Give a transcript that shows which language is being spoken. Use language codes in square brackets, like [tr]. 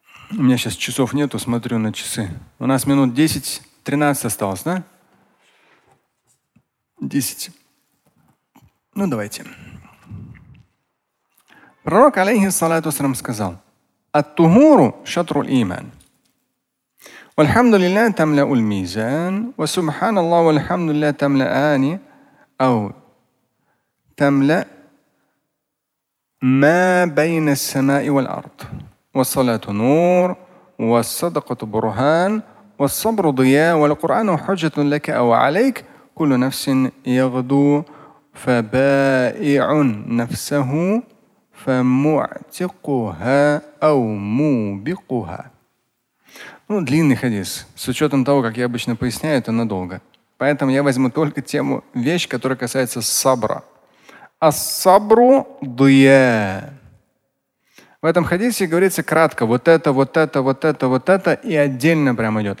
[ru] У меня сейчас часов нету, смотрю на часы. У нас минут 10-13 осталось, да? 10. Ну, давайте. Пророк, алейхи салату ассалям, сказал: [ar] «Ат-тухуру шатруль иман». والحمد لله تملأ الميزان وسبحان الله والحمد لله تملأان أو تملأ ما بين السماء والأرض والصلاة نور والصدقة برهان والصبر ضياء والقرآن حجة لك أو عليك كل نفس يغدو فبائع نفسه فمعتقها أو موبقها. [ru] Ну, длинный хадис. С учетом того, как я обычно поясняю, это надолго. Поэтому я возьму только тему, вещь, которая касается сабра. [ar] Ас-сабру дуя. [ru] В этом хадисе говорится кратко. Вот это, вот это, вот это, вот это. И отдельно прямо идет.